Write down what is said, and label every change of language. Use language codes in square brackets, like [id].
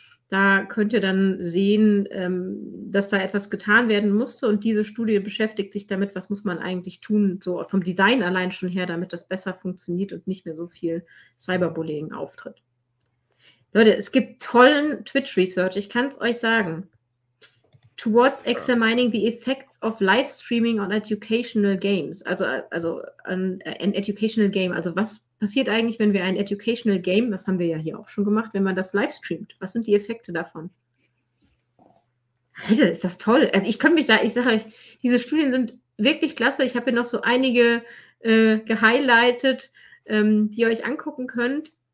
[de] Da könnt ihr dann sehen, dass da etwas getan werden musste und diese Studie beschäftigt sich damit, was muss man eigentlich tun, so vom Design allein schon her, damit das besser funktioniert und nicht mehr so viel Cyberbullying auftritt. Leute, es gibt tollen Twitch-Research. Ich kann es euch sagen. [en] Towards examining the effects of live streaming on educational games. [de] Also [en] an educational game. [de] Also was passiert eigentlich, wenn wir ein educational game, das haben wir ja hier auch schon gemacht, wenn man das live streamt? Was sind die Effekte davon? Alter, ist das toll. Also ich könnte mich da, ich sage euch, diese Studien sind wirklich klasse. Ich habe hier noch so einige gehighlightet, die ihr euch angucken könnt.